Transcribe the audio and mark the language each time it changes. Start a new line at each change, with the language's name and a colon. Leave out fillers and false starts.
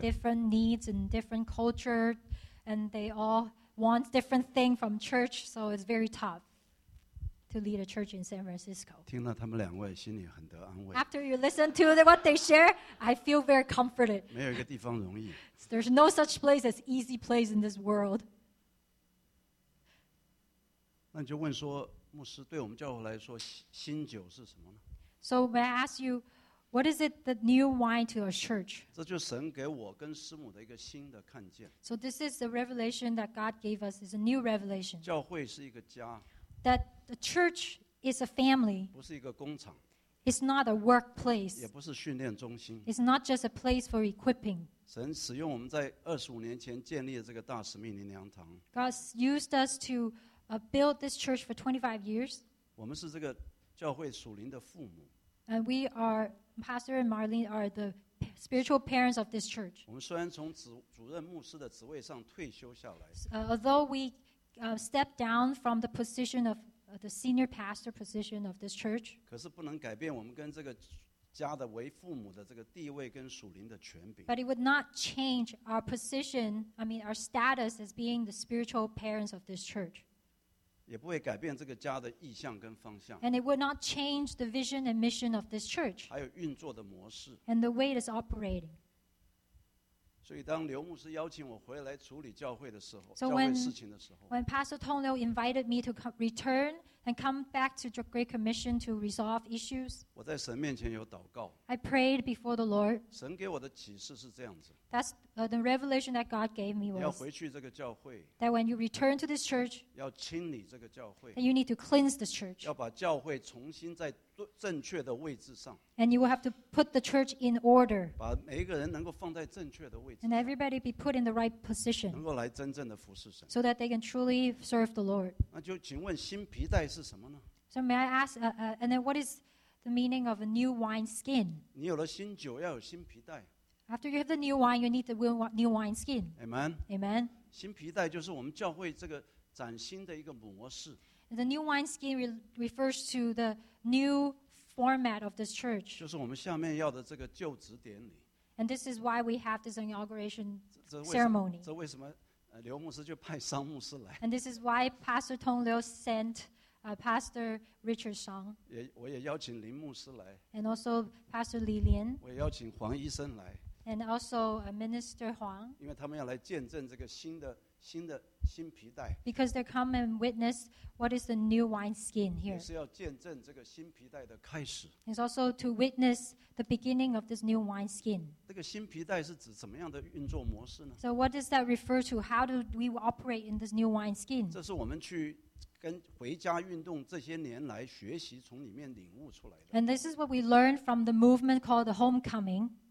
English: Different needs and different culture, and they all want different thing from church, so it's very tough to lead a church in San Francisco.
Chinese: 听了他们两位，心里很得安慰。
English: After you listen to what they share, I feel very comforted.
Chinese: 没有一个地方容易。
English: There's no such place as easy place in this world.
Chinese: 那就问说，牧师，对我们教会来说，新酒是什么呢？
English: So may I ask you, what is it the new wine to a church?
Chinese: 这就是神给我跟师母的一个新的看见。
English: So this is the revelation that God gave us. It's a new revelation.
Chinese: 教会是一个家。
English: That the church is a family.
Chinese: 不是一个工厂。
English: It's not a workplace.
Chinese: 也不是训练中心。
English: It's not just a place for equipping.
Chinese: 神使用我们在25年前建立的这个大使命灵粮堂。
English: God used us to built this church for 25 years.
Chinese: 我们是这个教会属灵的父母。
English: And we are, Pastor and Marlene are the spiritual parents of this church.
Chinese: 我们虽然从主任牧师的职位上退休下来。
English: Although we stepped down from the position of the senior pastor position of this church.
Chinese: 可是不能改变我们跟这个家的为父母的这个地位跟属灵的权柄。
English: But it would not change our position, I mean our status as being the spiritual parents of this church.
Chinese: 也不会改变这个家的意向跟方向。
English: And it will not change the vision and mission of this church.
Chinese: 还有运作的模式。
English: And the way it is operating.
Chinese: 所以当刘牧师邀请我回来处理教会的时候
English: so,
Chinese: 教会事情的时候
English: when Pastor Tong Liu invited me to return and come back to the Great Commission to resolve issues
Chinese: 我在神面前有祷告
English: I prayed before the Lord
Chinese: 神给我的启示是这样子
English: That's, the revelation that God gave me was
Chinese: 要回去这个教会
English: that when you return to this church
Chinese: 要清理这个教会
English: that you need to cleanse this church
Chinese: 要把教会重新在正确的位置上
English: and you will have to put the church in order
Chinese: 把每一个人能够放在正确的位置
English: and everybody be put in the right position
Chinese: 能够来真正的服侍神
English: so that they can truly serve the Lord
Chinese: 那就请问新皮带是什么呢
English: so may I ask and then what is the meaning of a new wine skin
Chinese: 你有了新酒要有新皮带
English: after you have the new wine you need the new wine skin Amen Amen
Chinese: 新皮带就是我们教会这个崭新的一个模式
English: The new wineskin refers to the new format of this church.
Chinese: 就是我们下面要的这个就职典礼。
English: And this is why we have this inauguration ceremony.
Chinese: 这为什么刘牧师就派商牧师来。
English: And this is why Pastor Tong Liu sent Pastor Richard Song.
Chinese: 我也邀请林牧师来。
English: And also Pastor Li Lian.
Chinese: 我也邀请黄医生来。
English: And also Minister Huang.
Chinese: 因为他们要来见证这个新的新的新皮带
English: because they come and witness what is the new wine skin here
Chinese: 也是要见证这个新皮带的开始
English: It's also to witness the beginning of this new wine skin
Chinese: 这个新皮带是指怎么样的运作模式呢
English: So what does that refer to? How do we operate in this new wine skin?
Chinese: 这是我们去跟回家运动这些年来学习从里面领悟出来的
English: And this is what we learned from the movement called the homecoming